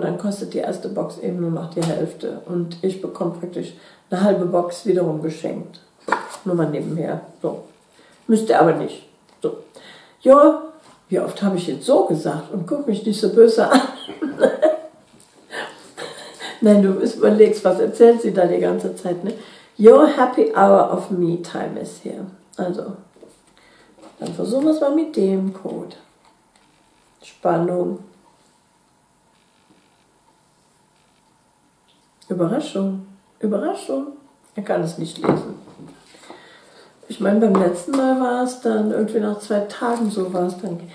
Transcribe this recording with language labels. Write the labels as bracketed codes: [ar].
[de] Dann kostet die erste Box eben nur noch die Hälfte. Und ich bekomme praktisch eine halbe Box wiederum geschenkt. Nur mal nebenher. So. Müsste aber nicht. So. Ja, wie oft habe ich jetzt so gesagt und guck mich nicht so böse an. Nein, du überlegst, was erzählt sie da die ganze Zeit, ne? [en] Your happy hour of me time is here. [de] Also, dann versuchen wir es mal mit dem Code. Spannung. Überraschung. Überraschung. Er kann es nicht lesen. Ich meine, beim letzten Mal war es dann irgendwie nach 2 Tagen so war es dann.